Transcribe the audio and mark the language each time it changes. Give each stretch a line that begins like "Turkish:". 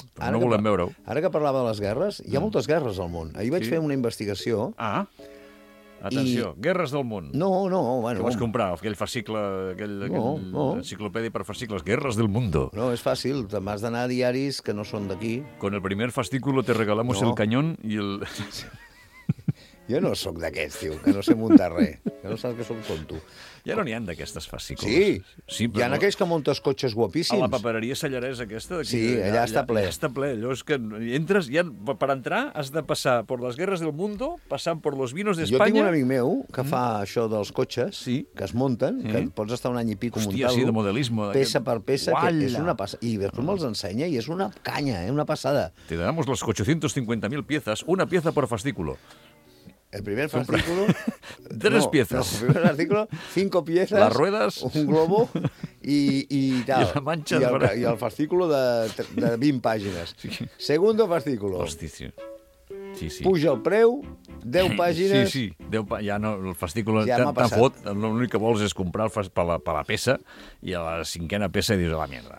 Catalan: Però no volem veure-ho. Ara que parlava de les guerres, hi ha moltes guerres al món. Ahir vaig fer una investigació... Ah, atenció, guerres del món. No, bueno... Que vas comprar, aquell fascicle, aquell enciclopèdia per fascicles, guerres del món. No, és fàcil, te'n vas d'anar a diaris que no són d'aquí.
Spanish: Con el primer fascículo te regalamos el cañón i el...
Catalan: Jo no sóc d'aquests, tio, que no sé muntar res. Que no saps que sóc tonto. Ja no n'hi ha d'aquestes fascicles. Sí, però... hi ha aquells que muntes cotxes guapíssims. A la papereria Sallarès aquesta. Sí, allà està ple. Allà està ple. Allò és que entres, ja, per entrar has de passar per les guerres del mundo, passant per los vinos d'Espanya. Jo tinc un amic meu que fa això dels cotxes, que es munten, que pots estar un any i pico muntant-lo. Hòstia, sí, de modelisme. Peça per peça, que és una passada. I després me'ls ensenya i és una canya, una passada.
Spanish: Te damos los 850.000 piezas, una pieza por fascículo. El primer fascículo... Tres piezas. No, el primer fascículo, 5 piezas... Las ruedas...
Catalan: Un globo i tal. I la manxa... I el fascículo de 20 pàgines. Sí.
Spanish: Segundo fascículo.
Catalan: Hòstia, sí. Sí, sí. Puja el preu, 10 pàgines... Sí, sí. Ja no, el fascículo ja t'ha fot. L'únic que vols és comprar per la peça i a la cinquena peça dius la merda.